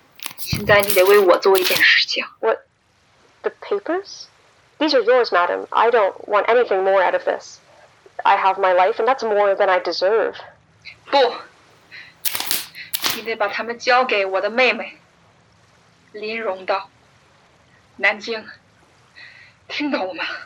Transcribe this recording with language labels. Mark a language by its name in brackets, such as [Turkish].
[Chinese] 世界就是这样。现在你得为我做一件事情。 [English] What? The papers? These are yours, madam. I don't want anything more out of this. I have my life, and that's more than I deserve. [Chinese] 不，你得把它们交给我的妹妹，林荣道，南京，听懂吗？